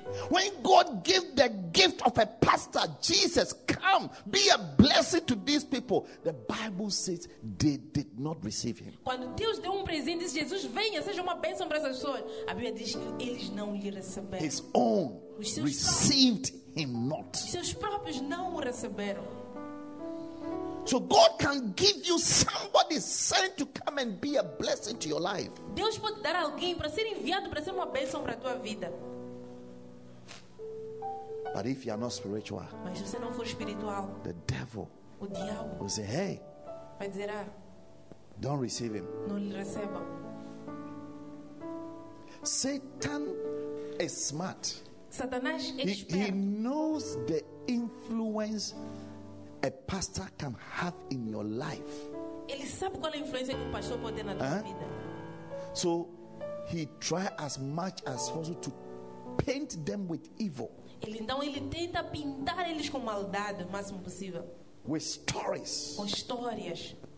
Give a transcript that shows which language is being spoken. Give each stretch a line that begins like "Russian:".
English: When God gave the gift of a pastor, Jesus, come, be a blessing to these people, the Bible says they did not receive him.
Portuguese: Quando Deus deu presente, disse, Jesus, venha, seja uma bênção para essas pessoas. A Bíblia diz que eles não lhe receberam.
English: His own received him not.
Portuguese: Seus próprios não o receberam.
English: So God can give you somebody sent to come and be a blessing to your life.
Portuguese: Deus pode dar alguém para ser enviado para ser uma bênção para a tua vida.
English: But if you are not spiritual,
Portuguese: mas se você não for espiritual,
English: the devil,
Portuguese: o diabo,
English: will say, hey,
Portuguese: vai dizer, ah,
English: don't receive him.
Portuguese: Não lhe receba.
English: Satan is smart.
Portuguese: Satanás é esperto.
English: He knows the influence a pastor can have in your life.
Portuguese: Ele sabe qual é a influência que o pastor pode ter na tua vida.
English: So he try as much as possible to paint them with evil.
Portuguese: Ele tenta pintar eles com maldade o máximo possível.
English: With stories.
Portuguese: Com histórias.